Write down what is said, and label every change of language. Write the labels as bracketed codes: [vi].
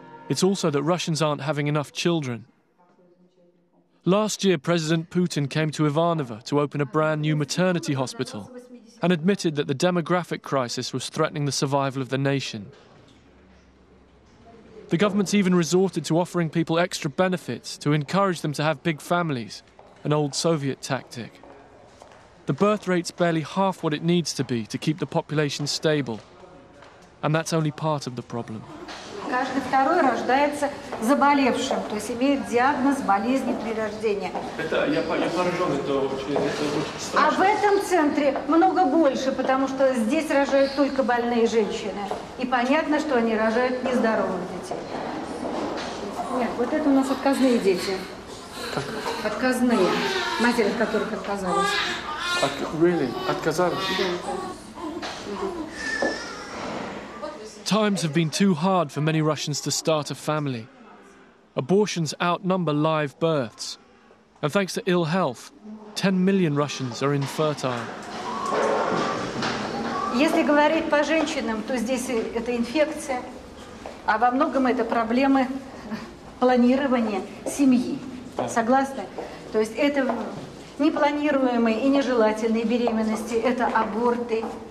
[en] It's also that Russians aren't having enough children. Last year, President Putin came to Ivanovo to open a brand new maternity hospital and admitted that the demographic crisis was threatening the survival of the nation. The government's even resorted to offering people extra benefits to encourage them to have big families, an old Soviet tactic. The birth rate's barely half what it needs to be to keep the population stable. And that's only part of the problem. [ru] Каждый второй рождается заболевшим, то есть имеет диагноз болезни при рождении. Это я поражен, это очень страшно. А в этом центре много больше, потому что здесь рожают только больные женщины. И понятно, что они рожают нездоровых детей. Нет, вот это у нас отказные дети. Как? Отказные. Матери, которых отказались. [en] Really? [ru] Отказались? Да. [en] Times have been too hard for many Russians to start a family. Abortions outnumber live births. And thanks to ill health, 10 million Russians are infertile. [ru] Если говорить по женщинам, то здесь это инфекция, а во многом это проблемы планирования семьи. Согласны? То есть это непланируемые и нежелательные беременности, это аборты.